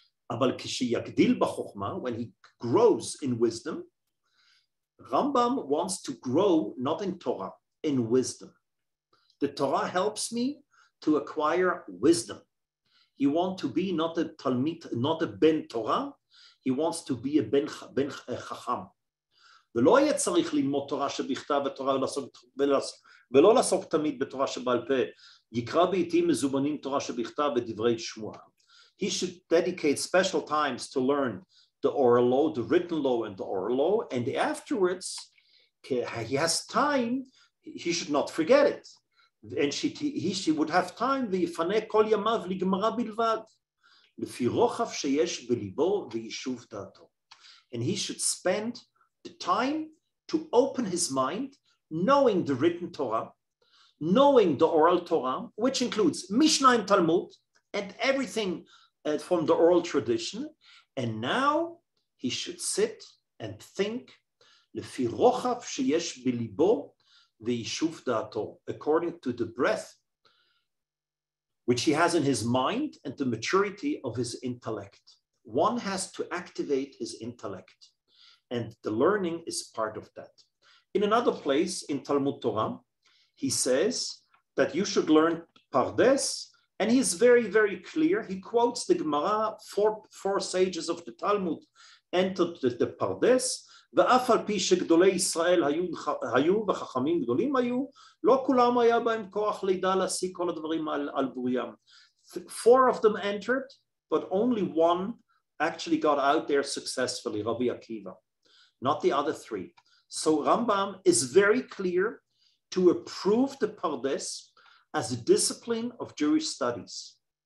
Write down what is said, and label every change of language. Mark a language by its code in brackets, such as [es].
[he] אבל כשיגדיל בחוכמה, [en] when he grows in wisdom, Rambam wants to grow not in Torah, in wisdom. The Torah helps me to acquire wisdom. He wants to be not a Talmid, not a Ben Torah, he wants to be a Ben Chacham. [he] ולא יהיה צריך ללמוד תורה שבכתב ותורה ולעשות ולא לעסוק תמיד בתורה שבעל פה, יקרא בעיתים מזומנים תורה שבכתב ודברי שמועה. [en] He should dedicate special times to learn the oral law, the written law and the oral law, and afterwards, he has time, he should not forget it. And he would have time, [he] ויפנה כל ימיו לגמרא בלבד, לפי רוחב שיש בליבו ויישוב דעתו. [en] And he should spend the time to open his mind, knowing the written Torah, knowing the oral Torah, which includes Mishnah and Talmud, and everything from the oral tradition. And now he should sit and think, [he] lefi rochav sheyesh bilibo veyishuv da'ato, [en] according to the breath which he has in his mind and the maturity of his intellect. One has to activate his intellect, and the learning is part of that. In another place in Talmud Torah, he says that you should learn Pardes, and he is very, very clear. He quotes the Gemara, four sages of the Talmud entered the Pardes. [he] ואף על פי שגדולי ישראל היו וחכמים גדולים היו, לא כולם היה בהם כוח לידע להשיג כל הדברים על בוריים. [en] Four of them entered, but only one actually got out there successfully, Rabbi Akiva, not the other three. So Rambam is very clear to approve the Pardes as a discipline of Jewish studies.